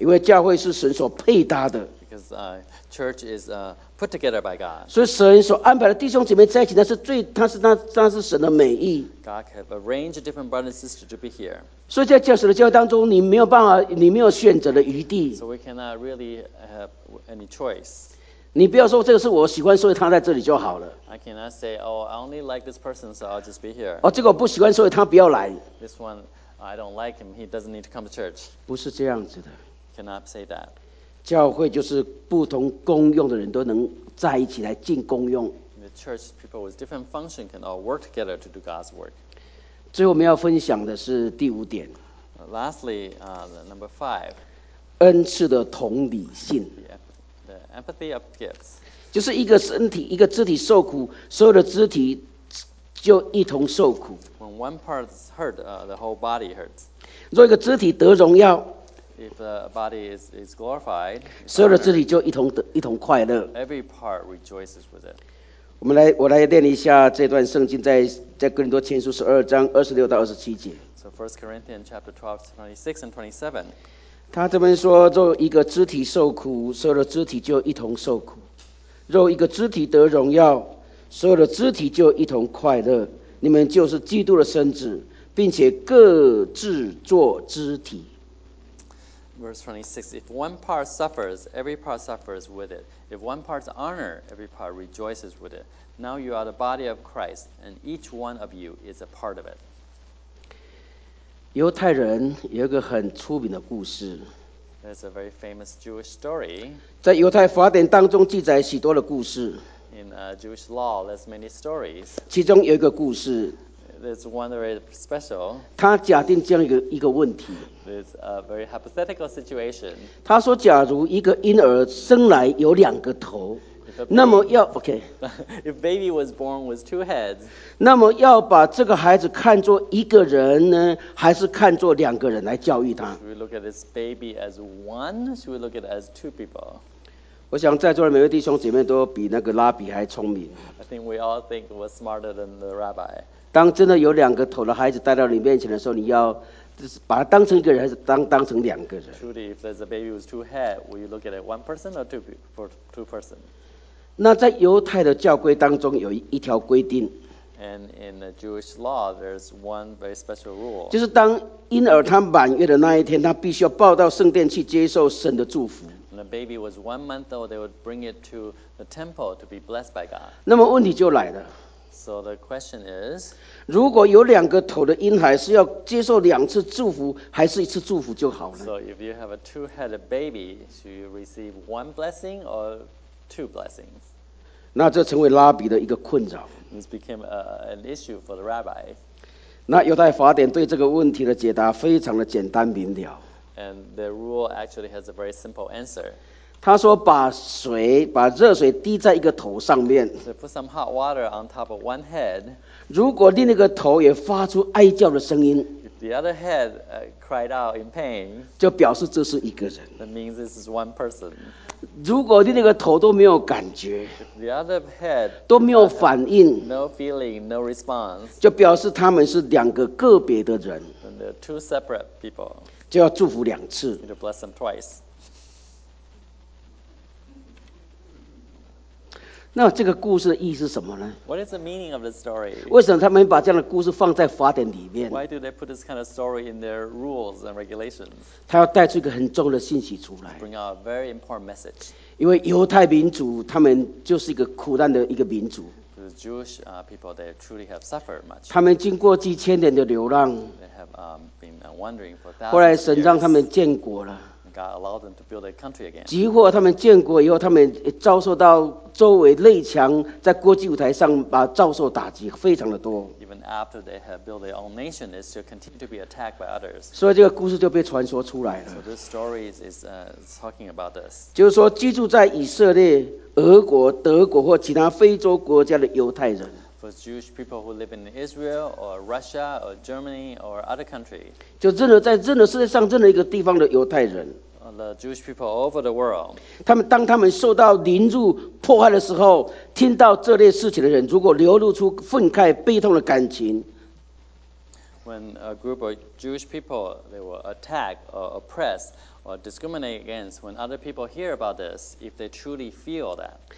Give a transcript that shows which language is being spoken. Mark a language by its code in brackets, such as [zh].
[zh] 因为教会是神所配搭的。 [en] Because church is put together by God. [zh] 所以神所安排的弟兄姐妹在一起，那是最，那是神的美意。 [en] God have arranged different brothers and sisters to be here. [zh] 所以在教神的教会当中，你没有办法，你没有选择的余地。 [en] So we cannot really have any choice. [zh] 你不要说这个是我喜欢，所以他在这里就好了。 [en] I cannot say, oh, I only like this person, so I'll just be here. [zh] 哦，这个我不喜欢，所以他不要来。 [en] This one, I don't like him. He doesn't need to come to church. [zh] 不是这样子的。 [en] Cannot say that. [zh] 教会就是不同功用的人都能在一起来进功用。 [en] The church people with different function can all work together to do God's work. [zh] 最后我们要分享的是第五点。 [en] Lastly, number five. [zh] 恩赐的同理性。 [en] The empathy of gifts. [zh] 就是一个身体，一个肢体受苦，所有的肢体就一同受苦。 [en] When one part is hurt, the whole body hurts. [zh] 若一个肢体得荣耀。 [en] If the body is glorified, [zh] 所有的肢体就一同快乐。 [en] Every part rejoices with it. [zh] 我来念一下这段圣经在哥林多前书十二章二十六到二十七节。 [en] So First Corinthians chapter 12, 26 and 27. [zh] 他这边说，若一个肢体受苦，所有的肢体就一同受苦；若一个肢体得荣耀，所有的肢体就一同快乐。你们就是基督的身子，并且各自做肢体。 [en] Verse 26, if one part suffers, every part suffers with it. If one part's honor, every part rejoices with it. Now you are the body of Christ, and each one of you is a part of it. [zh] 犹太人有一个很出名的故事。 [en] There's a very famous Jewish story. [zh] 在犹太法典当中记载许多的故事。 [en] In Jewish law, there's many stories. [zh] 其中有一个故事。 [en] It's one very special. [zh] 他假定这样一个问题。 [en] It's a very hypothetical situation. [zh] 他说，假如一个婴儿生来有两个头，那么要 OK. [en] If baby was born with two heads, [zh] 那么要把这个孩子看作一个人呢，还是看作两个人来教育他 [en] ？Should we look at this baby as one? Should we look at it as two people? [zh] 我想在座的每位弟兄姐妹都比那个拉比还聪明。 [en] I think we all think we're smarter than the rabbi. [zh] 当真的有两个头的孩子带到你面前的时候，你要把它当成一个人，还是当成两个人 [en] ？Truly, if there's a baby with two heads, will you look at it one person or two person? [zh] 那在犹太的教规当中有一条规定。 [en] And in the Jewish law, there's one very special rule. [zh] 就是当婴儿他满月的那一天，他必须要抱到圣殿去接受神的祝福。 [en] When the baby was 1 month old, they would bring it to the temple to be blessed by God. [zh] 那么问题就来了。 [en] So the question is, [zh] 如果有两个头的婴孩是要接受两次祝福，还是一次祝福就好了 [en] ？So if you have a two-headed baby, should you receive one blessing or two blessings? [zh] 那这成为拉比的一个困扰。 [en] This became an issue for the rabbi. [zh] 那犹太法典对这个问题的解答非常的简单明了。 [en] And the rule actually has a very simple answer. [zh] 他说把水把热水滴在一个头上面 [en] so put some hot water on top of one head, [zh] 如果另一个头也发出哀叫的声音 [en] if the other head, cried out in pain, [zh] 就表示这是一个人 [en] that means this is one person. [zh] 如果另一个头都没有感觉 [en] if the other head, [zh] 都没有反应 [en] no feeling, no response, [zh] 就表示他们是两个个别的人 [en] then they're two separate people. [zh] 就要祝福两次 [en] you need to bless them twice. [zh] 那这个故事的意义是什么呢 [en] ？What is the meaning of the story？ [zh] 为什么他们把这样的故事放在法典里面 [en] ？Why do they put this kind of story in their rules and regulations？ [zh] 他要带出一个很重要的信息出来。 [en] Bring out a very important message。 [zh] 因为犹太民族他们就是一个苦难的一个民族。 [en] The Jewish people they truly have suffered much。 [zh] 他们经过几千年的流浪。 [en] They have been wandering for thousands of years。 [zh] 后来神让他们建国了。 [en] God allowed them to build a country again. [zh] 即或他们建国以后，他们遭受到周围列强在国际舞台上把遭受打击非常的多。 [en] Even after they have built their own nation, they still continue to be attacked by others. [zh] 所以这个故事就被传说出来了。 [en] So this story is talking about this. [zh] 就是说，居住在以色列、俄国、德国或其他非洲国家的犹太人。 [en] for Jewish people who live in Israel or Russia or Germany or other countries. [zh] 就任何在任何世界上任何一个地方的犹太人。 [en] The Jewish people all over the world. [zh] 他们当他们受到凌辱迫害的时候，听到这类事情的人，如果流露出愤慨悲痛的感情。 [en] When a group of Jewish people they were attacked or oppressed or discriminated against, when other people hear about this, if they truly feel that,